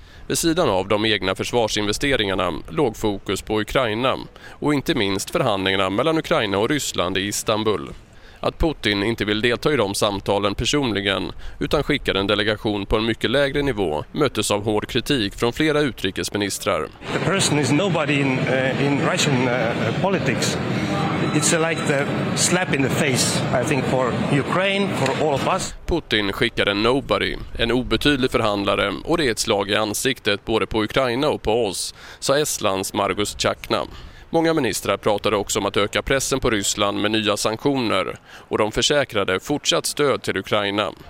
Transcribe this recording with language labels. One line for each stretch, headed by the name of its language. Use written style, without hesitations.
Swedish: Vid sidan av de egna försvarsinvesteringarna låg fokus på Ukraina och inte minst förhandlingarna mellan Ukraina och Ryssland i Istanbul. Att Putin inte vill delta i de samtalen personligen utan skickar en delegation på en mycket lägre nivå möttes av hård kritik från flera utrikesministrar.
English: The person is nobody in Russian politics. It's like the slap in the face, I think, for Ukraine, for all of us.
Swedish: Putin skickar en nobody, en obetydlig förhandlare, och det är ett slag i ansiktet både på Ukraina och på oss, sa Estlands Margus Tjakna. Många ministrar pratade också om att öka pressen på Ryssland med nya sanktioner, och de försäkrade fortsatt stöd till Ukraina.